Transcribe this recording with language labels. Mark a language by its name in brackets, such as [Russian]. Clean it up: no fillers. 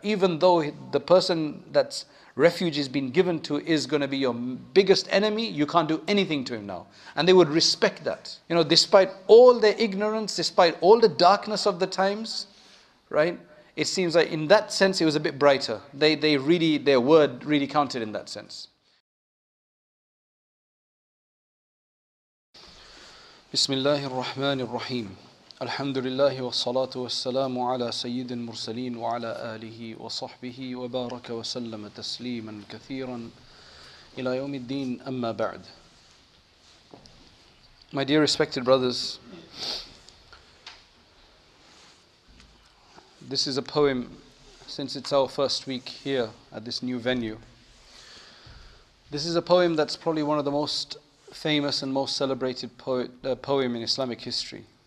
[English] Even though the person that's refuge has been given to is going to be your biggest enemy, you can't do anything to him now. And they would respect that. You know, despite all their ignorance, despite all the darkness of the times, right? It seems like in that sense, it was a bit brighter. Their word really counted in that sense. [Arabic] بسم الله الرحمن الرحيم الحمد لله والصلاة والسلام على سيد المرسلين وعلى آله وصحبه وبارك وسلم تسليما كثيرا إلى يوم الدين أما بعد. [English] My dear respected brothers, this is a poem since it's our first week here at this new venue. This is a poem that's probably one of the most famous and most celebrated poem in Islamic history.